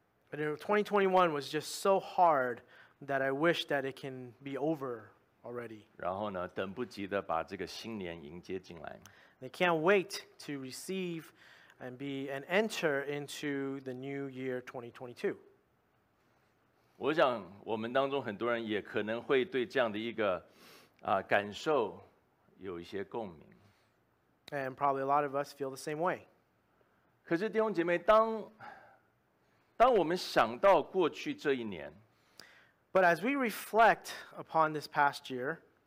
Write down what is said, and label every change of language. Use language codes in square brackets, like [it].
[en] But 2021 was just so hard that I wish that it can be over. Already. [zh] 然后呢，等不及的把这个新年迎接进来。 [en] They can't wait to receive and be and enter into the new year 2022. [zh] 我想我们当中很多人也可能会对这样的一个感受有一些共鸣。 [en] And probably a lot of us feel the same way. [zh] 可是弟兄姐妹，当我们想到过去这一年。 [en] But as we reflect upon this past year,